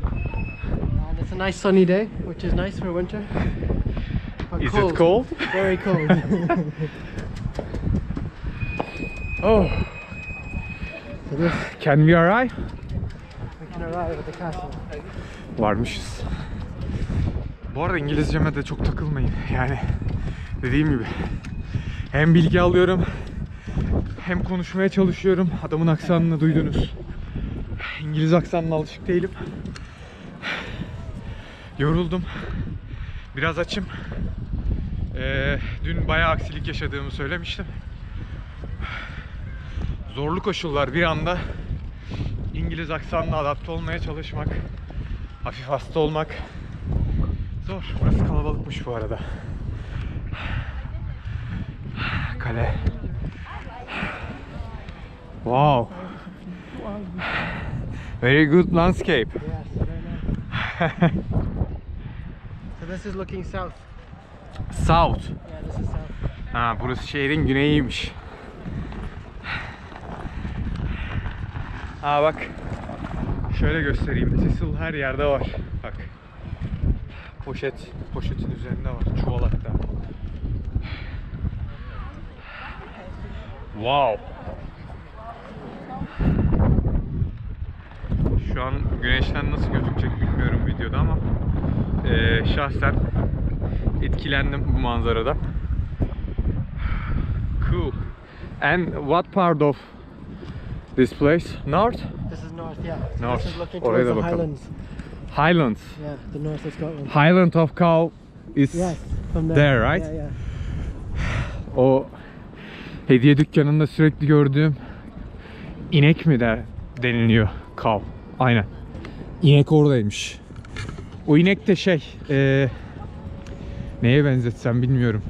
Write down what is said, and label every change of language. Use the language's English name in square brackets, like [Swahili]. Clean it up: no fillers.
[English] And it's a nice sunny day, which is nice for winter. But is cold. It cold? Very cold. Oh. So this, can we arrive? We can arrive at the castle. [Turkish] Varmışız. Bu arada İngilizceme de çok takılmayın. Yani dediğim gibi hem bilgi alıyorum hem konuşmaya çalışıyorum. Adamın aksanını duydunuz. İngiliz aksanına alışık değilim. Yoruldum. Biraz açım. Dün bayağı aksilik yaşadığımı söylemiştim. Zorlu koşullar, bir anda İngiliz aksanına adapte olmaya çalışmak, hafif hasta olmak zor. Burası kalabalıkmış bu arada. Kale. [English] Wow. Very good landscape. Yes, very nice. So this is looking south. South. Yeah, this is south. [Turkish] Ha, burası şehrin güneyiymiş. Aa, bak. Şöyle göstereyim. Thistle her yerde var. Bak. Poşetin üzerinde var. Çuval hatta. [English] Wow. [Turkish] Şu an güneşten nasıl gözükecek bilmiyorum videoda ama şahsen etkilendim bu manzarada. [English] Cool. And what part of this place? North? This is north, yeah. North. This is looking towards the [Turkish] bakalım. [English] Highlands. Highlands? Yeah, the north of Scotland. Highland of Cow is, yes, from there, right? Yeah. [Turkish] O hediye dükkanında sürekli gördüğüm inek mi de deniliyor? Cow. Aynen. İnek oradaymış. O inek de şey, neye benzetsem bilmiyorum.